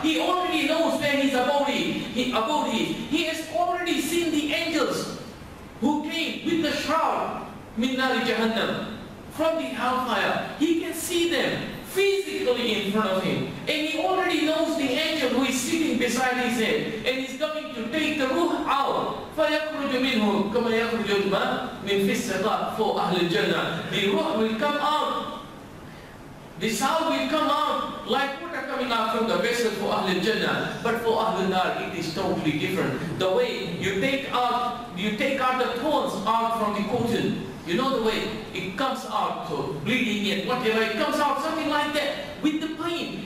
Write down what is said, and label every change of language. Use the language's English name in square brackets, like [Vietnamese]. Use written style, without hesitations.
[English] He already knows where his abode is. He has already seen the angels who came with the shroud [Arabic] مِنَّارِ جَهَنَّمُ, [English] from the hellfire. He can see them physically in front of him. And he already knows the angel who is sitting beside his head and is coming to take the ruh out. [Arabic] فَيَخْرُجُ مِنْهُ كَمَا يَخْرُجُ الْمَا مِنْ فِي السَّقَاءِ for أَهْلِ الْجَنَّةِ [English] The ruh will come out. The sound will come out like water coming out from the vessel for Ahlul Jannah. But for Ahlul Nar, it is totally different. The way you take out the thorns out from the cotton, you know the way it comes out, so bleeding it, whatever, it comes out, something like that, with the pain.